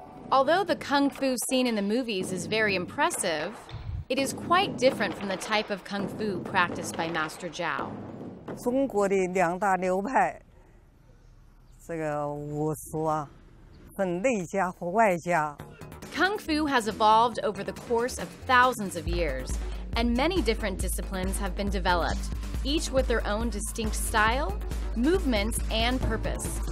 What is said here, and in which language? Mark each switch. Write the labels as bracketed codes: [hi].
[en] Although the kung fu seen in the movies is very impressive, it is quite different from the type of kung fu practiced by Master Zhao. [zh] 中国的两大流派，这个武术啊，分内家和外家。 [en] Kung fu has evolved over the course of thousands of years, and many different disciplines have been developed, each with their own distinct style, movements, and purpose.